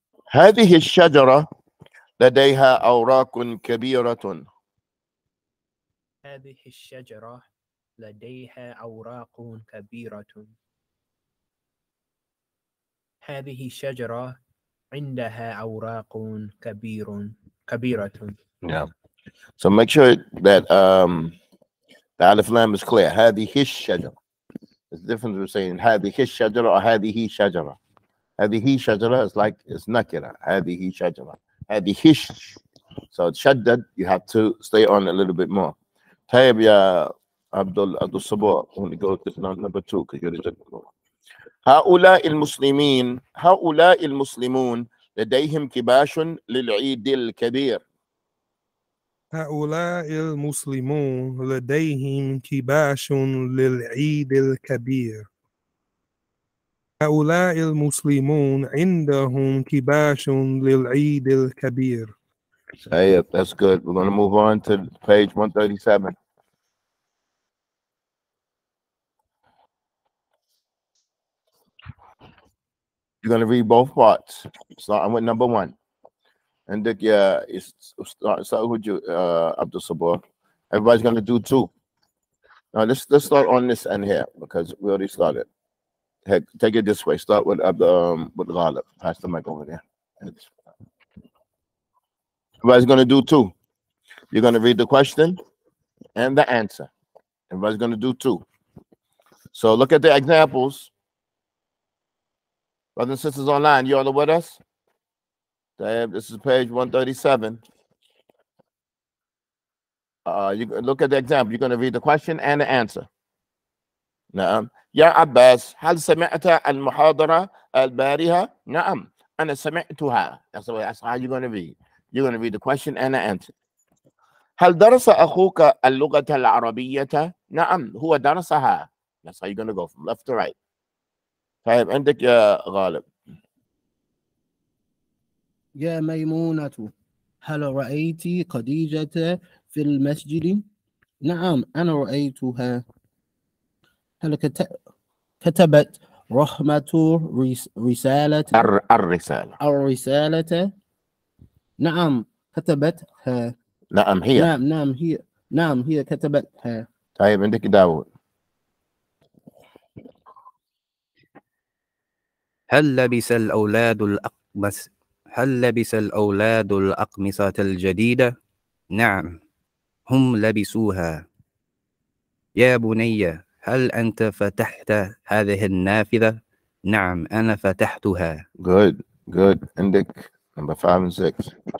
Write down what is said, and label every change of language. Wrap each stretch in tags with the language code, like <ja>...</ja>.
<ar>هذه الشجرة لديها أوراق كبيرة. هذه الشجرة لديها أوراق كبيرة. هذه الشجرة عندها أوراق كبيرة.</ar> <en>Yeah. So make sure that the alif lam is clear.</en> <ar>هذه الشجرة.</ar> <en>It's different from saying</en> <ar>هذه الشجرة</ar> <en>or</en> <ar>هذه شجرة. هذه شجرة</ar> <en>is like it's نكرة.</en> <ar>هذه شجرة. هذه ش.</ar> <en>So it's</en> <ar>شدد.</ar> <en>You have to stay on a little bit more.</en> <ar>طيب يا</ar> <en>Abdul Sabah, when we go to number two, because you're the general.</en> <ar>هؤلاء المسلمين، هؤلاء المسلمون لديهم كباش للعيد الكبير. هؤلاء المسلمون لديهم كباش للعيد الكبير. هؤلاء المسلمون عندهم كباش للعيد الكبير. طيب</ar> <en>that's good. We're going to move on to page 137. You're going to read both parts. Start with number one. And the, start with you, Abdul Sabah. Everybody's going to do two. Now, let's start on this end here, because we already started. Hey, take it this way. Start with Ghalib. Pass the mic over there. Everybody's going to do two. You're going to read the question and the answer. Everybody's going to do two. So look at the examples. Brothers and sisters online, you all with us?</en> <ar>طيب</ar> <en>this is page 137. You look at the example. You're going to read the question and the answer.</en> <ar>نعم. يا عباس هل سمعت المحاضرة البارحة؟ نعم. أنا سمعتها.</ar> <en>That's how you're going to read. You're going to read the question and the answer.</en> <ar>هل درس أخوك اللغة العربية؟ نعم. هو درسها.</ar> <en>That's how you're going to go from left to right.</en> <ar>طيب عندك يا غالب. يا ميمونة هل رأيت خديجة في المسجد؟ نعم أنا رأيتها. هل كتبت رحمة رسالة؟ الرسالة. الرسالة. نعم كتبتها. نعم هي. نعم هي. نعم هي كتبتها. طيب عندك داود. هل لبس الأولاد الأقمص؟ هل لبس الأولاد الأقمصة الجديدة؟ نعم هم لبسوها. يا بني هل أنت فتحت هذه النافذة؟ نعم أنا فتحتها.</ar> <en>Good, good.</en> <ar>عندك</ar> <en>number 5 and 6.</en>